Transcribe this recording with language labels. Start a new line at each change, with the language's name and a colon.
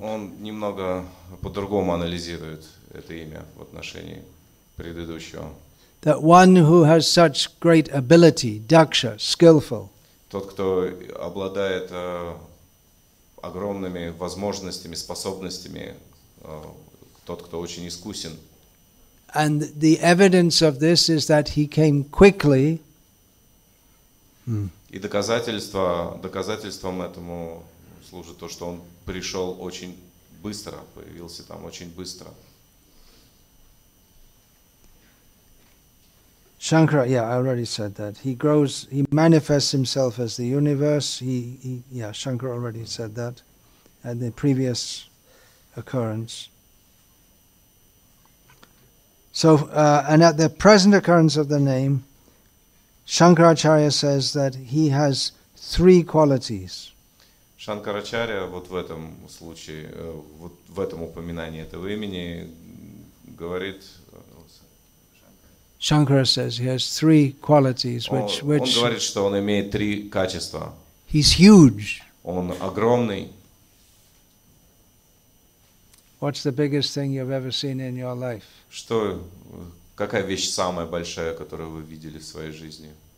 Russian: Он немного по-другому анализирует это имя в отношении предыдущего.
English: That one who has such great ability, Daksha, skillful.
Russian: Тот, кто обладает огромными возможностями, способностями, тот, кто очень искусен.
English: And the evidence of this is that he came quickly.
Russian: И доказательством этому служит то, что он пришел очень быстро, появился там очень быстро.
English: Shankara, yeah, I already said that. He grows, he manifests himself as the universe. Shankara already said that at the previous occurrence. So, and at the present occurrence of the name, Shankaracharya says that he has three qualities.
Russian: Shankaracharya, вот в этом случае, вот в этом упоминании этого имени, говорит...
English: Shankara says he has three qualities which
Russian: он говорит, что он имеет три качества.
English: He's huge.
Russian: Он огромный.
English: What's the biggest thing you've ever seen in your life?
Russian: Что, какая вещь самая большая, которую вы видели в своей жизни?